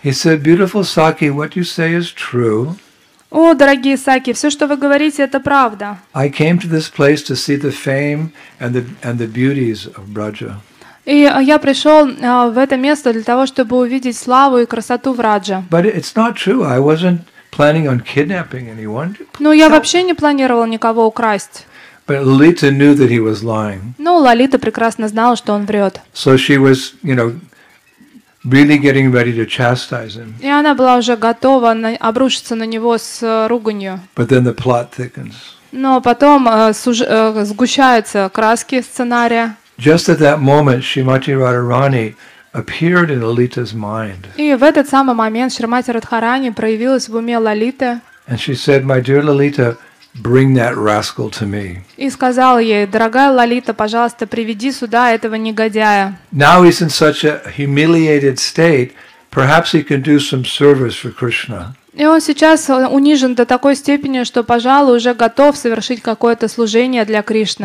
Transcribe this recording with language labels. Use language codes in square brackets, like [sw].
[en] He said, "Beautiful Saki, what you say is true." [ru] О, дорогие Саки, все, что вы говорите, это правда. [en] I came to this place to see the fame and the beauties of Braja. [ru] И я пришел в это место для того, чтобы увидеть славу и красоту Враджа. [en] But it's not true. I wasn't planning on kidnapping anyone. [ru] Ну, я вообще не планировал никого украсть. [en] But Lalita knew that he was lying. [ru] Ну, Лалита прекрасно знала, что он врет. [en] So she was, you know, really getting ready to chastise him. [ru] И она была уже готова обрушиться на него с руганью. [en] But then the plot thickens. [ru] Но потом сгущаются краски сценария. [en] Just at that moment, Shrimati Radharani appeared in Lalita's mind. [ru] И в этот самый момент Шримати Радхарани проявилась в уме Лалиты. [en] And she said, "My dear Lalita, bring that rascal to me." [ru] И сказала ей: "Дорогая Лалита, пожалуйста, приведи сюда этого негодяя." [en] Now he's in such a humiliated state. Perhaps he can do some service for Krishna. [ru] И он сейчас унижен до такой степени, что, пожалуй, уже готов совершить какое-то служение для Кришны.